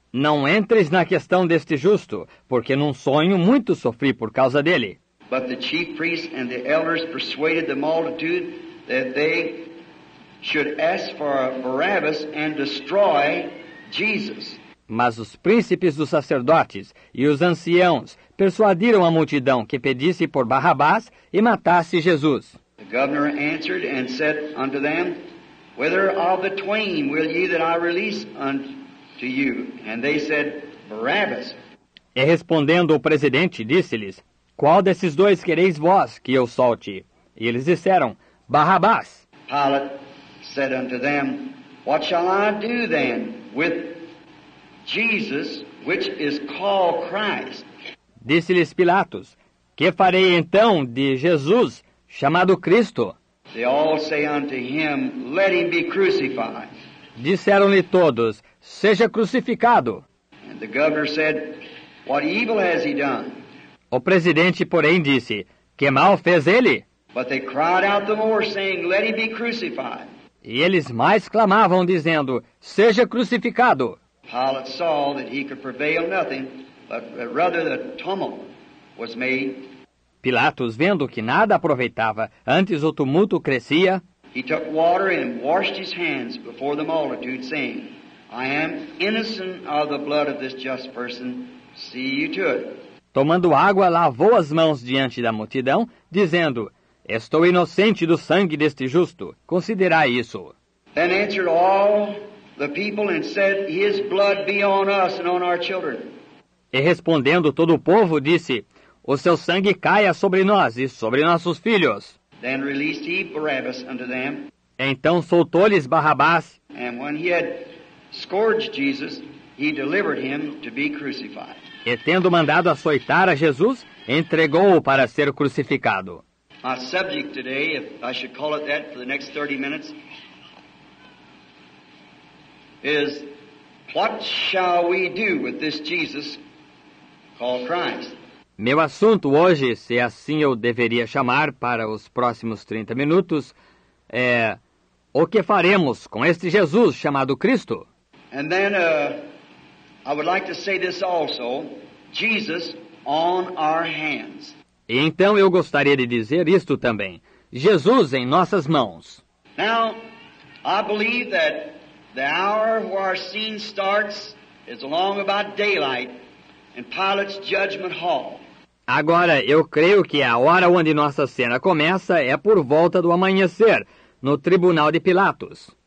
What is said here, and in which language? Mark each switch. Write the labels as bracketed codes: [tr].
[pt] Não entres na questão deste justo, porque num sonho muito sofri por causa dele. [en] But the chief priests and the elders persuaded the multitude that they should ask for Barabbas and destroy Jesus. [pt] Mas os príncipes dos sacerdotes e os anciãos persuadiram a multidão que pedisse por Barrabás e matasse Jesus. [en] The governor answered and said unto them, Whither of the twain will ye that I release unto you? And they said, Barabbas. [pt] E respondendo o presidente, disse-lhes, Qual desses dois quereis vós que eu solte? E eles disseram, Barrabás. [en] Pilate said unto them, What shall I do then with Jesus, which is called Christ? [pt] Disse-lhes Pilatos, Que farei então de Jesus, chamado Cristo? [en] They all say unto him, Let him be crucified. [pt] Disseram-lhe todos, Seja crucificado. [en] And the governor said, What evil has he done? [pt] O presidente, porém, disse, Que mal fez ele? [en] But they cried out the more, saying, Let him be crucified. [pt] E eles mais clamavam, dizendo, Seja crucificado. [en] Pilate saw that he could prevail nothing, but rather the tumult was made. [pt] Pilatos, vendo que nada aproveitava, antes o tumulto crescia, [en] he took water and washed his hands before the multitude, saying, I am innocent of the blood of this just person. See you to it. [pt] Tomando água, lavou as mãos diante da multidão, dizendo, estou inocente do sangue deste justo. Considerai isso. [en] Then answered all the people and said, his blood be on us and on our children. [pt] E respondendo todo o povo, disse, o seu sangue caia sobre nós e sobre nossos filhos. [en] Then released he Barabbas unto them. [pt] Então soltou-lhes Barrabás. [en] And when he had scourged Jesus, he delivered him to be crucified. [pt] E tendo mandado açoitar a Jesus, entregou-o para ser crucificado. [en] My subject today, if I should call it that for the next 30 minutes, is what shall we do with this Jesus called Christ? [pt] Meu assunto hoje, se assim eu deveria chamar para os próximos 30 minutos, é o que faremos com este Jesus chamado Cristo? [en] And then I would like to say this also, Jesus on our hands. [pt] E então eu gostaria de dizer isto também, Jesus em nossas mãos. [en] Now, I believe that the hour where our scene starts is along about daylight in Pilate's judgment hall. [pt] Agora, eu creio que a hora onde nossa cena começa é por volta do amanhecer, no tribunal de Pilatos.